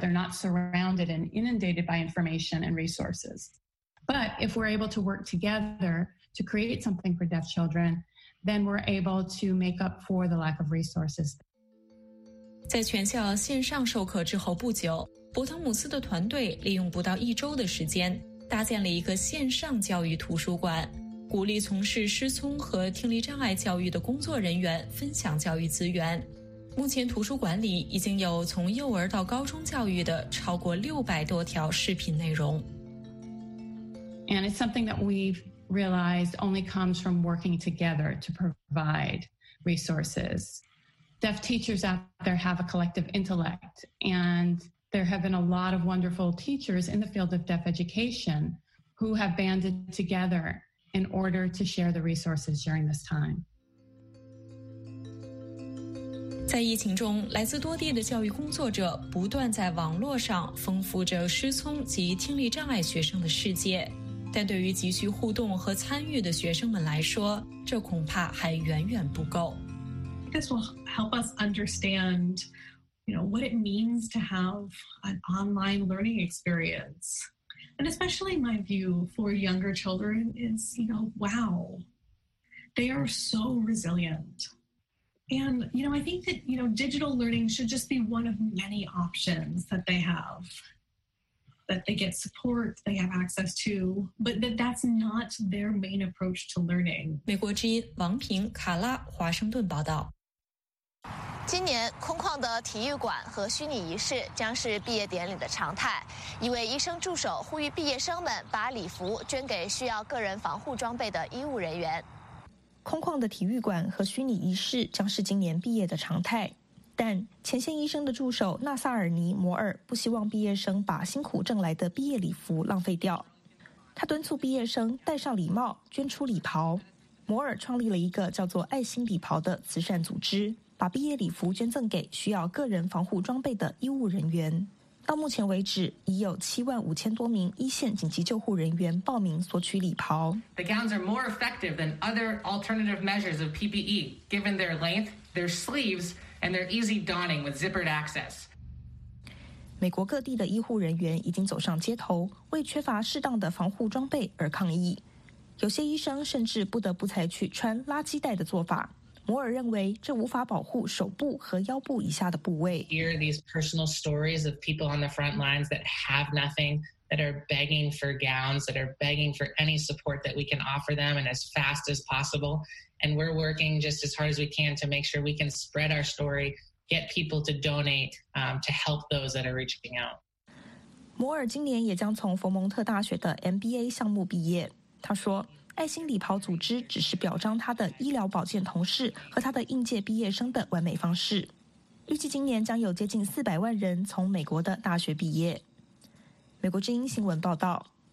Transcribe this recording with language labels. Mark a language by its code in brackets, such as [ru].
[en] They're not surrounded and inundated by information and resources. But if we're able to work together to create something for deaf children, then we're able to make up for the lack of resources. [zh] 在全校线上授课之后不久，伯腾姆斯的团队利用不到一周的时间搭建了一个线上教育图书馆，鼓励从事失聪和听力障碍教育的工作人员分享教育资源。目前图书馆里已经有从幼儿到高中教育的超过600多条视频内容。 [en] And it's something that we've realized only comes from working together to provide resourcesDeaf teachers out there have a collective intellect, and there have been a lot of wonderful teachers in the field of deaf education who have banded together in order to share the resources during this time. [zh] 在疫情中，来自多地的教育工作者不断在网络上丰富着失聪及听力障碍学生的世界，但对于急需互动和参与的学生们来说，这恐怕还远远不够。 [en] This will help us understand, you know, what it means to have an online learning experience. And especially my view for younger children is, you know, wow, they are so resilient. And, you know, I think that, you know, digital learning should just be one of many options that they have, that they get support, they have access to, but that's not their main approach to learning. [zh] 美国之音王平、卡拉，华盛顿报道。今年空旷的体育馆和虚拟仪式将是毕业典礼的常态。一位医生助手呼吁毕业生们把礼服捐给需要个人防护装备的医务人员。空旷的体育馆和虚拟仪式将是今年毕业的常态，但前线医生的助手纳萨尔尼摩尔不希望毕业生把辛苦挣来的毕业礼服浪费掉。他敦促毕业生戴上礼帽，捐出礼袍。摩尔创立了一个叫做爱心礼袍的慈善组织，把毕业礼服捐赠给需要个人防护装备的医务人员。到目前为止，已有75,000多名一线紧急救护人员报名索取礼袍。 [en] The gowns are more effective than other alternative measures of PPE, given their length, their sleeves, and their easy donning with zippered access. [zh] 美国各地的医护人员已经走上街头，为缺乏适当的防护装备而抗议。有些医生甚至不得不采取穿垃圾袋的做法。摩尔认为这无法保护手部和腰部以下的部位。 [en] Hear these personal stories of people on the front lines that have nothing, that are begging for gowns, that are begging for any support that we can offer them and as fast as possible. And we're working just as hard as we can to make sure we can spread our story, get people to donate, to help those that are reaching out. [zh] 摩尔今年也将从佛蒙特大学的 MBA 项目毕业。他说，爱心礼袍组织只是表彰他的医疗保健同事和他的应届毕业生的完美方式。预计今年将有接近400万人从美国的大学毕业。美国之音新闻报道。